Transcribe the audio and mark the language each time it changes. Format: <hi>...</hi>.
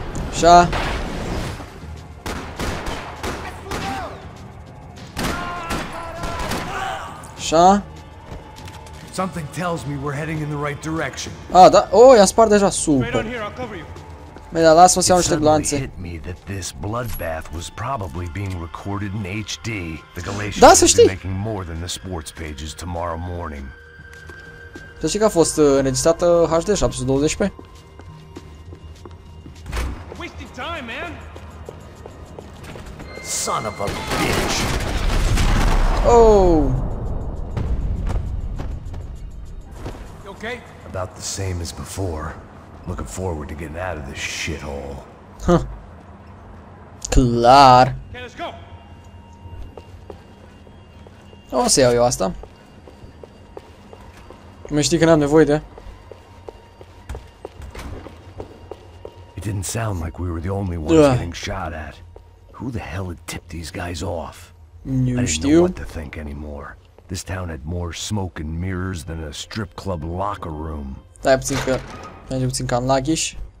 <ro>Așa. Așa.</ro> <en>Something tells me we're heading in the right direction.</en> <ro>Ah, da. Oh, i-am spart deja, super. Mai da, lasă-mă să iau niște gloanțe.</ro> <en>It hit me that this bloodbath was probably being recorded in HD.</en> <ro>The Galatians da, să știi.</ro> <en>Be making more than the sports pages tomorrow morning.</en> <ro>Să știi că a fost înregistrată HD 720p.</ro> <en>Son of a bitch. Oh. You okay? About the same as before. Looking forward to getting out of this shithole. Huh. Klar. Okay, let's go.</en> <ro>O să iau eu asta. Mă știi că n-am nevoie de.</ro> <en>It didn't sound like we were the only ones getting shot at. Who the hell had tipped these guys off?</en> <ro>Nu știu.</ro> <en>I didn't know what to think anymore. This town had more smoke and mirrors than a strip club locker room.</en> <ro>Stai puțin că merge puțin cam laghiș.</ro>